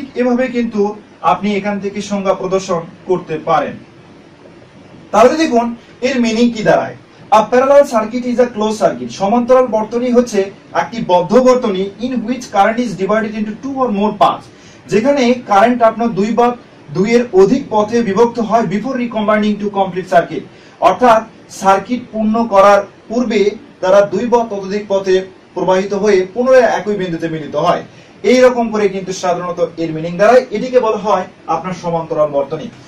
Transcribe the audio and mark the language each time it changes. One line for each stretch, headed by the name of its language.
Bangla: ঠিক এভাবে কিন্তু আপনি এখান থেকে সংজ্ঞা প্রদর্শন করতে পারেন। তাহলে দেখুন এর মিনিং কি দাঁড়ায়।
English: A parallel circuit is a closed circuit.
Bangla: সমান্তরাল বর্তনী হচ্ছে একটি বদ্ধ বর্তনী
English: in which current is divided into two or more paths.
Bangla: যেখানে কারেন্ট আপনার দুই বা দুইয়ের অধিক পথে বিভক্ত হয়
English: before recombining to complete circuit.
Bangla: অর্থাৎ সার্কিট পূর্ণ করার পূর্বে তারা দুই বা ততোধিক পথে প্রবাহিত হয়ে পুনরায় একই বিন্দুতে মিলিত হয়। এই রকম করে কিন্তু সাধারণত এর মিনিং দাঁড়ায়। এটিকে বলা হয় আপনার সমান্তরাল বর্তনী।